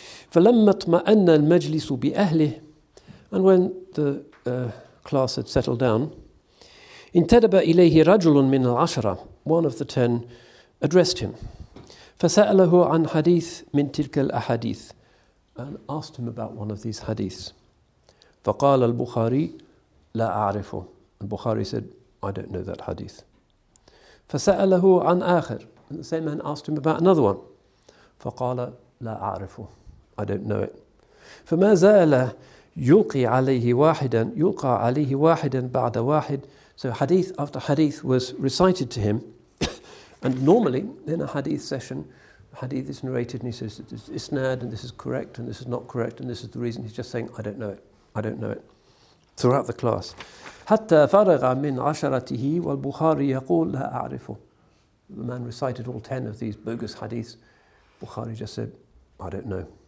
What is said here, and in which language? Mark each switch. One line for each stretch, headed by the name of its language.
Arabic: فلما اطمأن المجلس بأهله,
English: and when the class had settled down,
Arabic: انتدب إليه رجل من العشرة,
English: one of the ten addressed him,
Arabic: فسأله عن حديث من تلك الأحاديث,
English: and asked him about one of these hadiths.
Arabic: فقال البخاري لا أعرفه,
English: البخاري said, I don't know that hadith.
Arabic: فسأله عن آخر,
English: and the same man asked him about another one.
Arabic: فقال لا أعرفه,
English: I don't know it.
Arabic: فما زال يلقي عليه واحدا, يلقى عليه واحدا بعد واحد,
English: so hadith after hadith was recited to him. And normally in a hadith session, hadith is narrated and he says it's isnad and this is correct and this is not correct and this is the reason, he's just saying I don't know it throughout the class.
Arabic: حتى فرغ من عشرته والبخاري يقول لا أعرفه,
English: the man recited all 10 of these bogus hadiths, Bukhari just said I don't know.